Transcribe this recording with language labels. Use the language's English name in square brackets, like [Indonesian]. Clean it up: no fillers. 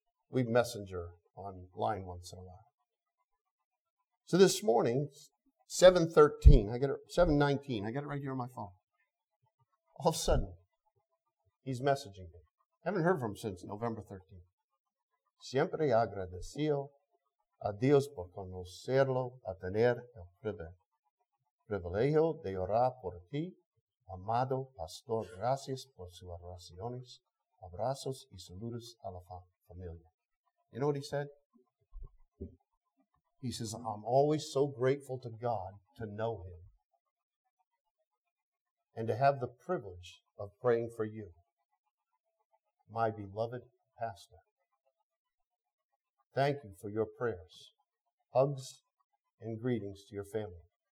[English] We messenger online once in a while. So this morning, 7:13, I got it, 7:19, I got it right here on my phone. All of a sudden, he's messaging me. I haven't heard from him since November 13th. [Spanish] Siempre agradecido a Dios por conocerlo, a tener el privilegio de orar por ti, amado pastor, gracias por sus oraciones, abrazos y saludos a la familia. [English] You know what he said? He says, I'm always so grateful to God to know Him and to have the privilege of praying for you, my beloved pastor. Thank you for your prayers, hugs, and greetings to your family.